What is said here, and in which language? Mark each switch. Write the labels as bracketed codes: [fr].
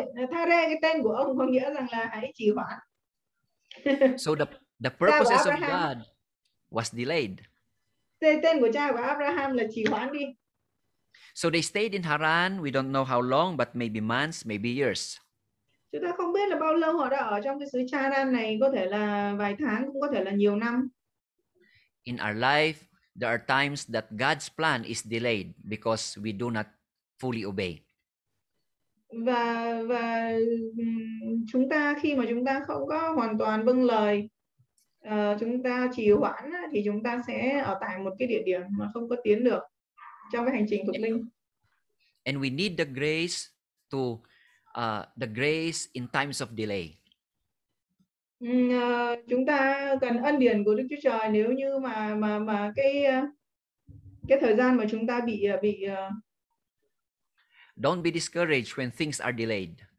[vi] Terah, cái tên của ông có nghĩa rằng là hãy trì hoãn. [en] So the purposes of God was delayed. [vi] Tên của cha của Abraham là trì hoãn đi. [en] So they stayed in Haran. We don't know how long, but maybe months, maybe years. [vi] Chúng ta không biết là bao lâu họ đã ở trong cái xứ Charan này. Có thể là vài tháng, cũng có thể là nhiều năm. [en] In our life, There are times that God's plan is delayed because we do not fully obey. [vi] Và chúng ta khi mà chúng ta không có hoàn toàn vâng lời, chúng ta trì hoãn thì chúng ta sẽ ở tại một cái địa điểm mà không có tiến được trong cái hành trình thuộc linh. [en] And we need the grace to the grace in times of delay. [vi] Chúng ta cần ân điển của Đức Chúa Trời nếu như mà cái thời gian mà chúng ta bị [en] Don't be discouraged when things are delayed.